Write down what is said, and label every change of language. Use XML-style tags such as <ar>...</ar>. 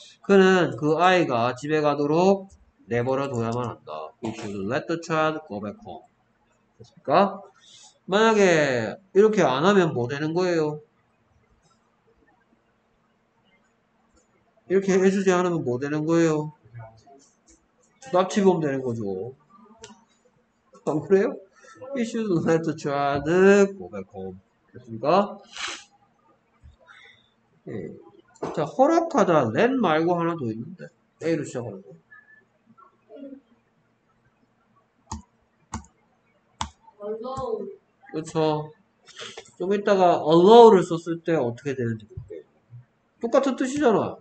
<ko>그는 그 아이가 집에 가도록 내버려 둬야만 한다.</ko> <en>We should let the child go back home.</en> <ko>됐습니까? 만약에 이렇게 안 하면 뭐 되는 거예요? 이렇게 해주지 않으면 뭐 되는 거예요? 납치범 되는 거죠. 안 그래요?</ko> <en>We should let the child go back home.</en> <ko>됐습니까? 네. 자, 허락하다 let 말고 하나 더 있는데 A로 시작하는 거. 그쵸. 좀 이따가 allow를 썼을 때 어떻게 되는지 볼게요. 똑같은 뜻이잖아.</ko>